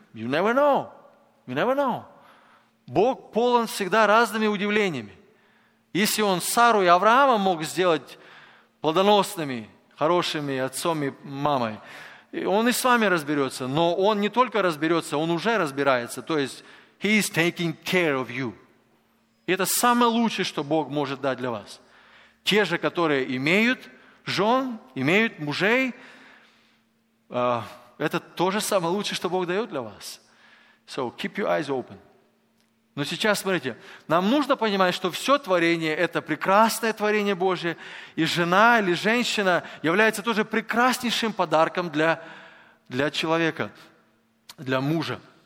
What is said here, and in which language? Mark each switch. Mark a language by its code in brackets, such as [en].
[en] You never know. You never know. [ru] Бог полон всегда разными удивлениями. Если Он Сару и Авраама мог сделать плодоносными, хорошими отцом и мамой, Он и с вами разберется, но Он не только разберется, Он уже разбирается. То есть, [en] He is taking care of you. [ru] И это самое лучшее, что Бог может дать для вас. Те же, которые имеют жен, имеют мужей, это тоже самое лучшее, что Бог дает для вас. [en] So, keep your eyes open. [ru] Но сейчас, смотрите, нам нужно понимать, что все творение – это прекрасное творение Божие, и жена или женщина является тоже прекраснейшим подарком для человека, для мужа.